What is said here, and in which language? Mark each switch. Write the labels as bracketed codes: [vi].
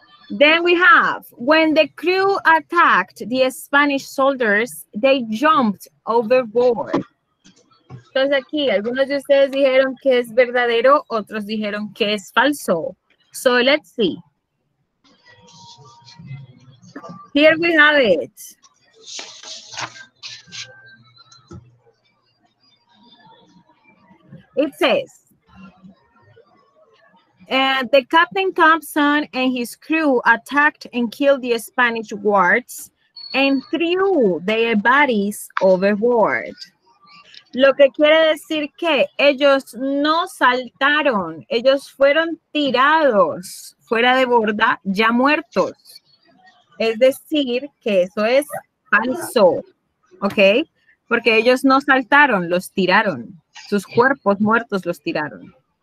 [en] Then we have, when the crew attacked the Spanish soldiers, they jumped overboard. [es] Entonces aquí, algunos de ustedes dijeron que es verdadero, otros dijeron que es falso. [en] So let's see. Here we have it. It says, and the Captain Thompson and his crew attacked and killed the Spanish guards and threw their bodies overboard. [es] Lo que quiere decir que ellos no saltaron, ellos fueron tirados fuera de borda, ya muertos. Es decir, que eso es falso, ¿ok? Porque ellos no saltaron, los tiraron. Sus cuerpos muertos los tiraron.